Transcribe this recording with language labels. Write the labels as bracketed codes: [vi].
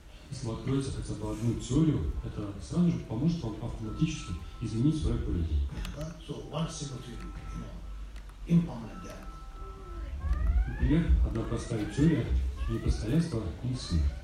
[ru] если вы откроете хотя бы одну теорию, это сразу же поможет вам автоматически изменить свое поведение. [en] So, one single theory, you know, implement that. [ru] Например, одна простая теория непостоянства и сны.